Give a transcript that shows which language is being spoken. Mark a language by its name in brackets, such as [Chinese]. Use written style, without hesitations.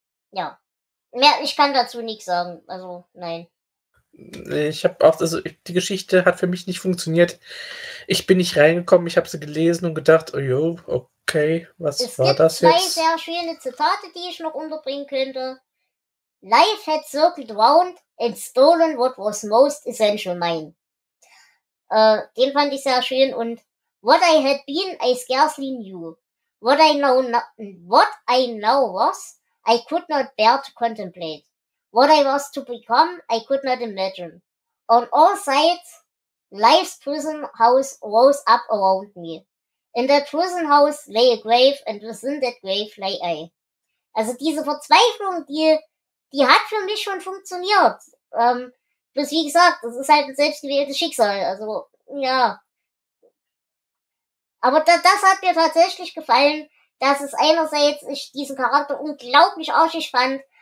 [German] Ja. Mehr, ich kann dazu nichts sagen. Also, nein. Ich habe auch, also die Geschichte hat für mich nicht funktioniert. Ich bin nicht reingekommen, ich habe sie gelesen und gedacht, oh jo, okay, was es war das jetzt? Es gibt zwei sehr schöne Zitate, die ich noch unterbringen könnte. [English] Life had circled round and stolen what was most essential mine. [German] Den fand ich sehr schön und [English] what I had been, I scarcely knew. What I now was, I could not bear to contemplate. What I was to become, I could not imagine. On all sides, life's prison house rose up around me. In that prison house lay a grave, and within that grave lay I. [German] Also diese Verzweiflung, die hat für mich schon funktioniert. Bloß wie gesagt, das ist halt ein selbstgewähltes Schicksal. Also, ja. Aber das hat mir tatsächlich gefallen, dass es einerseits, ich diesen Charakter unglaublich arschig fand,